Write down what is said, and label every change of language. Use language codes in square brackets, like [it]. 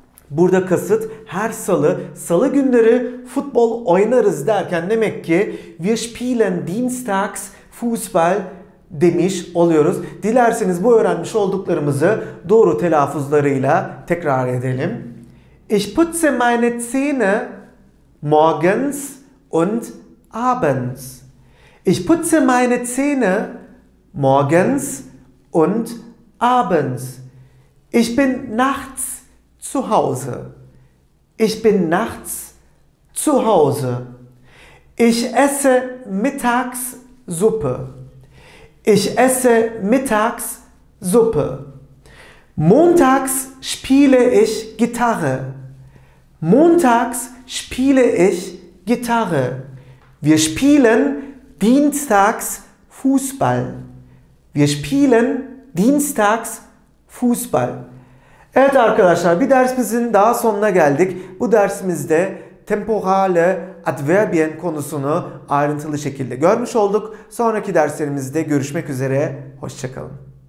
[tr] Burada kasıt her salı günleri futbol oynarız derken demek ki [de] wir spielen Dienstags Fußball [tr] demiş oluyoruz. Dilerseniz bu öğrenmiş olduklarımızı doğru telaffuzlarıyla tekrar edelim. [de] Ich putze meine Zähne morgens und abends. Ich putze meine Zähne morgens und abends. Ich bin nachts zu Hause. Ich bin nachts zu Hause. Ich esse mittags Suppe. Ich esse mittags Suppe. Montags spiele ich Gitarre. Montags spiele ich Gitarre. Wir spielen dienstags Fußball. Wir spielen dienstags Fußball. [tr] Evet arkadaşlar, bir dersimizin daha sonuna geldik. Bu dersimizde temporale adverbien konusunu ayrıntılı şekilde görmüş olduk. Sonraki derslerimizde görüşmek üzere. Hoşça kalın.